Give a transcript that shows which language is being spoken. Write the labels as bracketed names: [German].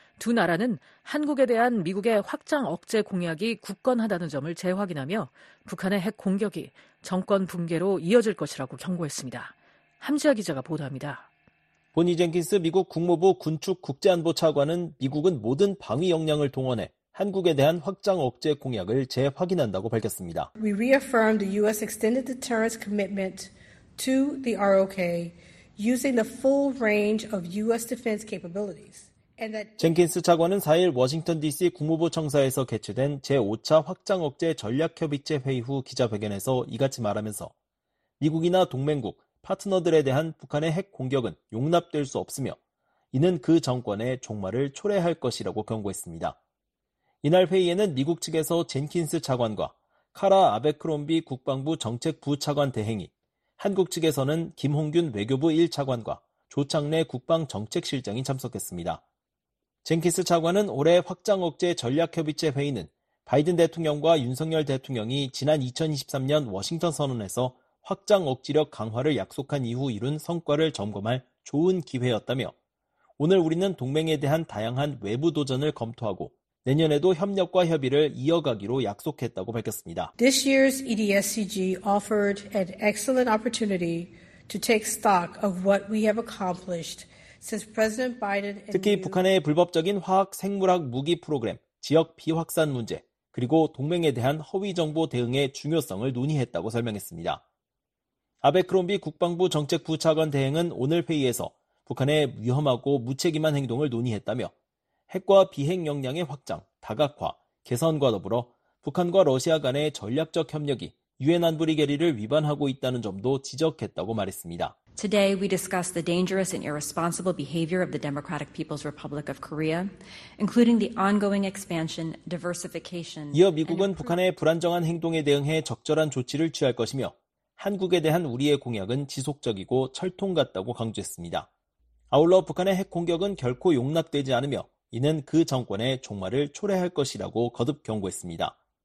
[Korean] 두 나라는 한국에 대한 미국의 확장 억제 공약이 굳건하다는 점을 재확인하며 북한의 핵 공격이 정권 붕괴로 이어질 것이라고 경고했습니다. 함지아 기자가 보도합니다. 보니 젠킨스 미국 국무부 군축 국제안보 차관은 미국은 모든 방위 역량을 동원해 한국에 대한 확장 억제 공약을 재확인한다고 밝혔습니다. [English] We reaffirm the U.S. extended deterrence commitment to the ROK using the full range of U.S. defense capabilities. [Korean] 젠킨스 차관은 4일 워싱턴 DC 국무부 청사에서 개최된 제5차 확장 억제 전략협의체 회의 후 기자회견에서 이같이 말하면서 미국이나 동맹국, 파트너들에 대한 북한의 핵 공격은 용납될 수 없으며 이는 그 정권의 종말을 초래할 것이라고 경고했습니다. 이날 회의에는 미국 측에서 젠킨스 차관과 카라 아베크롬비 국방부 정책부 차관 대행이, 한국 측에서는 김홍균 외교부 1차관과 조창래 국방정책실장이 참석했습니다. 젠킨스 차관은 올해 확장 억제 전략협의체 회의는 바이든 대통령과 윤석열 대통령이 지난 2023년 워싱턴 선언에서 확장 억지력 강화를 약속한 이후 이룬 성과를 점검할 좋은 기회였다며 오늘 우리는 동맹에 대한 다양한 외부 도전을 검토하고 내년에도 협력과 협의를 이어가기로 약속했다고 밝혔습니다. [English] This year's EDSCG offered an excellent opportunity to take stock of what we have accomplished since President Biden. [Korean] 특히 북한의 불법적인 화학 생물학 무기 프로그램, 지역 비확산 문제, 그리고 동맹에 대한 허위 정보 대응의 중요성을 논의했다고 설명했습니다. 아베크롬비 국방부 정책부 차관 대행은 오늘 회의에서 북한의 위험하고 무책임한 행동을 논의했다며 핵과 비핵 역량의 확장, 다각화, 개선과 더불어 북한과 러시아 간의 전략적 협력이 유엔 안보리 결의를 위반하고 있다는 점도 지적했다고 말했습니다. [English] Today we discuss the dangerous and irresponsible behavior of the Democratic People's Republic of Korea, including the ongoing expansion, diversification. [Korean] 이어 미국은 북한의 불안정한 행동에 대응해 적절한 조치를 취할 것이며 한국에 대한 우리의 공약은 지속적이고 철통 같다고 강조했습니다. 아울러 북한의 핵 공격은 결코 용납되지 않으며 이는 그 정권의 종말을 초래할 것이라고 거듭 경고했습니다.